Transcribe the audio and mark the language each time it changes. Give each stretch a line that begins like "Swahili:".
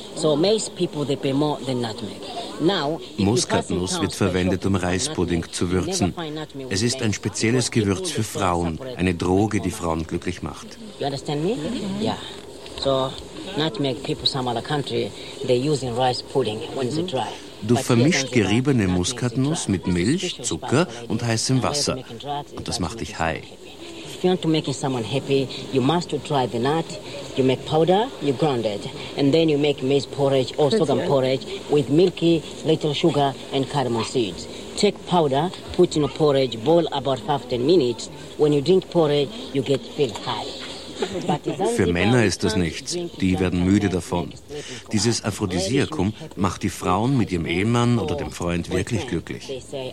English: So mace people they pay more than nutmeg.
German: Muskatnuss wird verwendet, um Reispudding zu würzen. Es ist ein spezielles Gewürz für Frauen, eine Droge, die Frauen glücklich macht.
English: You understand me? Yeah. So nutmeg people some other country they use in rice pudding when it's dry.
German: Du vermischt geriebene Muskatnuss mit Milch, Zucker und heißem Wasser. Und das macht dich high.
English: you want to make someone happy, you must dry the nut, you make powder, you grind it, and then you make maize porridge or sorghum porridge with milky, little sugar and cardamom seeds. Take powder, put in a porridge, boil about 5-10 minutes. When you drink porridge, you get feel high.
German: Für Männer ist das nichts. Die werden müde davon. Dieses Aphrodisiakum macht die Frauen mit ihrem Ehemann oder dem Freund wirklich glücklich.